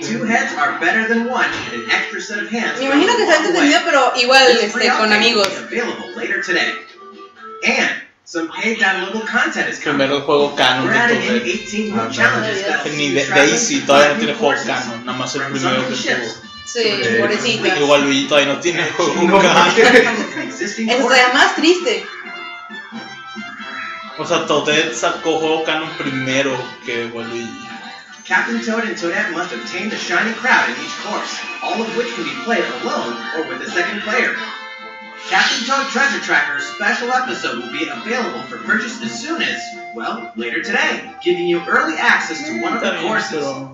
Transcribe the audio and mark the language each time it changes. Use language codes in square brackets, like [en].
[en] Two heads are better than one, and an extra set of hands. [es] Me imagino que sea entretenido, pero igual con amigos. [en] Available later today. And some paid downloadable content is coming. [es] Primero el juego canon de todo. [en] We're adding in 18 new challenges. [es] Ni Daisy todavía no tiene juego canon. Nada más el primero que tuvo. Sí, pobrecita. Igual Luigi todavía no tiene juego canon. Eso sería más triste. O sea, Toadette sacó juego canon primero que Waluigi. [en] Captain Toad and Toadette must obtain the shiny crown in each course, all of which can be played alone or with a second player. Captain Toad Treasure Tracker's special episode will be available for purchase as soon as, well, later today, giving you early access to one of the courses.